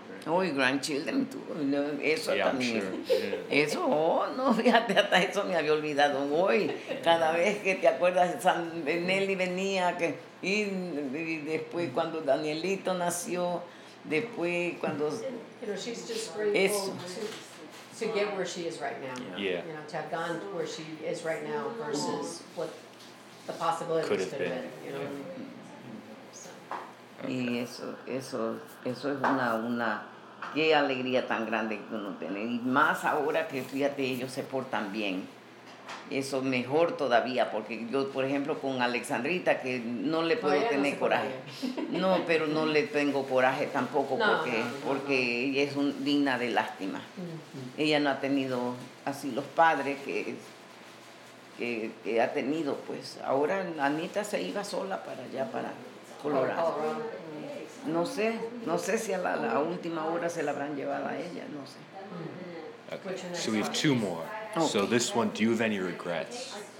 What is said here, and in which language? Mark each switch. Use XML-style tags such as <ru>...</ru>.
<en>Oh,</en> <es>y</es> <en>grandchildren, too.</en> <es>No, eso</es> <en>yeah,</en> <es>también.</es> <en>Sure. Yeah.</en> <es>Eso, oh, no, fíjate, hasta eso me había olvidado hoy. Cada vez que te acuerdas, San Nelly venía, que, y después cuando Danielito nació, después cuando...</es> <en>You know, she's just grateful to get where she is right now. Yeah. Yeah. You know, to have gone to where she is right now versus what the possibilities could have been. You know? Yeah.</en> <es>Okay. Y eso es una qué alegría tan grande que uno tiene, y más ahora que fíjate ellos se portan bien, eso mejor todavía, porque yo por ejemplo con Alexandrita que no le puedo tener no coraje podría. No, pero no le tengo coraje tampoco porque ella es digna de lástima. Mm-hmm. Ella no ha tenido así los padres que ha tenido, pues ahora Anita se iba sola para allá para Colorado. No sé si a la última hora se la habrán llevado a ella, no sé.</es> <en>Okay. So we have two more. Okay. So this one, do you have any regrets?</en>